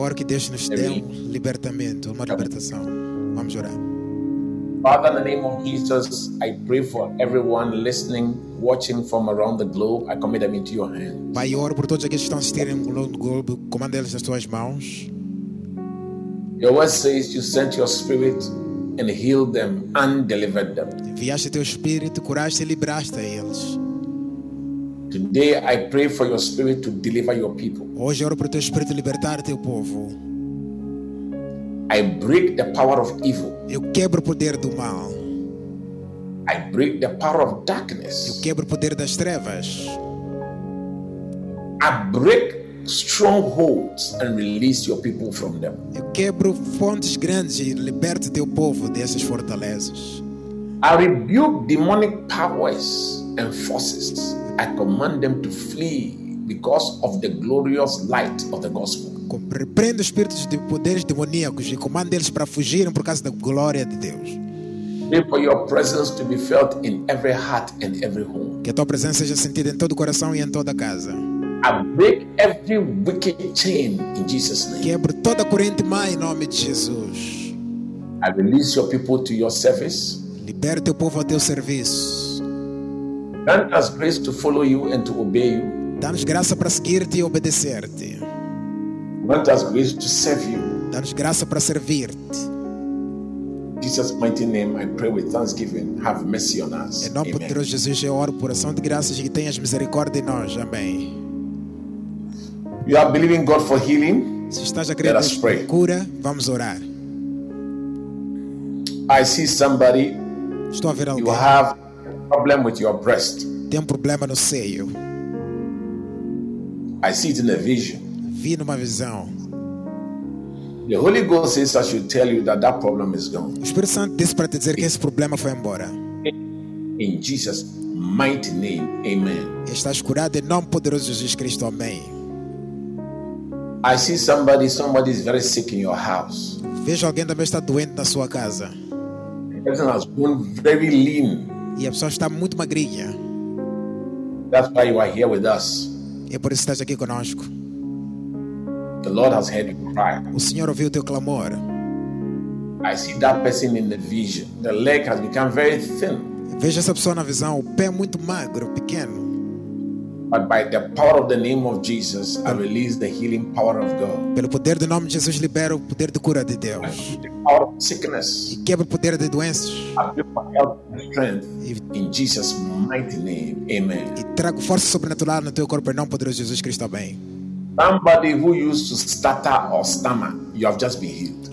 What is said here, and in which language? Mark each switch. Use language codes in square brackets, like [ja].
[pt] oro que Deus nos dê um libertamento, uma libertação. Vamos orar. [en] Father, in the name of Jesus, I pray for everyone listening, watching from around the globe. I commit them into your hands. [pt] Pai, eu oro por todos aqueles que estão assistindo ao globo, comando eles nas tuas mãos. E [en] Your word says you sent your spirit and healed them and delivered them. [pt] Enviaste teu espírito, curaste e libraste eles. [en] Today I pray for your spirit to deliver your people. [pt] Hoje oro para o teu espírito libertar teu povo. [en] I break the power of evil. [pt] Eu quebro o poder do mal. [en] I break the power of darkness. [pt] Eu quebro o poder das trevas. [en] I break strongholds and release your people from them. [pt] Eu quebro fontes grandes e liberto teu povo dessas fortalezas. [en] I rebuke demonic powers and forces. I command them to flee because of the glorious light of the gospel. [pt] Repreendo espíritos de poderes demoníacos e comando eles para fugirem por causa da glória de Deus. [en] For your presence to be felt in every heart and every home. [pt] Que a tua presença seja sentida em todo o coração e em toda a casa. [en] I break every wicked chain in Jesus' name. [pt] Quebro toda a corrente má em nome de Jesus. [en] I release your people to your service. [pt] Libero teu povo ao teu serviço. [en] Grant us grace to follow you and to obey you. [pt] Dá-nos graça para seguir-te e obedecer-te. [en] Grant us grace to serve you. [pt] Dá-nos graça para servir-te. [en] Jesus' mighty name, I pray with thanksgiving. Have mercy on us. [pt] Em nome poderoso de Jesus, eu oro por ação de graças e que tenhas misericórdia em nós. Amém. [en] You are believing God for healing. [pt] Se estás a crer por cura, vamos orar. [en] I see somebody. [pt] Estou a ver alguém. [en] You have problem with your breast. [pt] Tem um problema no seio. [en] I see it in a vision. [pt] Vi numa visão. [en] The Holy Ghost says I should tell you that that problem is gone. [pt] O Espírito Santo disse para te dizer que esse problema foi embora. [en] In Jesus' mighty name, amen. [pt] Estás curado em nome poderoso de Jesus Cristo, amém. [en] I see somebody is very sick in your house. [pt] Vejo alguém também está doente na sua casa. [en] The person has grown very lean. [pt] E a pessoa está muito magrinha. [en] That's why you are here with us. [pt] É por isso que estás aqui conosco. [en] The Lord has heard you cry. [pt] O Senhor ouviu teu clamor. [en] I see that person in the vision. The leg has become very thin. [pt] Vejo essa pessoa na visão, o pé muito magro, pequeno. [en] But by the power of the name of Jesus, I release the healing power of God. [pt] Pelo poder do nome de Jesus, libero o poder de cura de Deus. [en] The power of sickness. [pt] E quebro o poder de doenças. [en] I give strength in Jesus' mighty name. Amen. [pt] E trago força sobrenatural no teu corpo em nome poderoso de Jesus Cristo. Amém. [en] Somebody who used to stutter or stammer, you have just been healed.